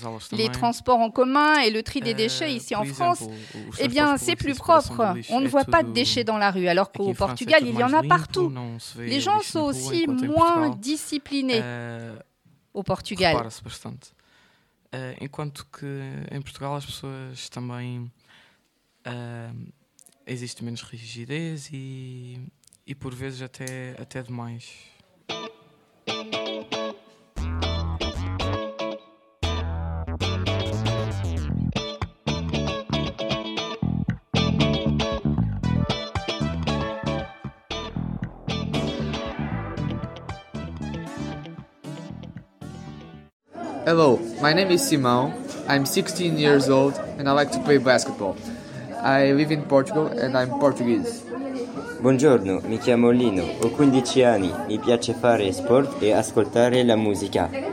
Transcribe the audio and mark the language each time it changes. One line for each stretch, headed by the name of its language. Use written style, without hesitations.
French: Les transports en commun et le tri des déchets ici en France, eh bien, c'est plus propre. On ne voit pas de déchets dans la rue, alors qu'au Portugal, il y en a partout. Les gens sont aussi moins disciplinés au Portugal.
Portuguese: Enquanto que em Portugal, as pessoas também existe menos rigidez e por vezes até demais.
English: Hello, my name is Simão. I'm 16 years old and I like to play basketball. I live in Portugal and I'm Portuguese.
Italian: Buongiorno, mi chiamo Lino, ho 15 anni, mi piace fare sport e ascoltare la musica.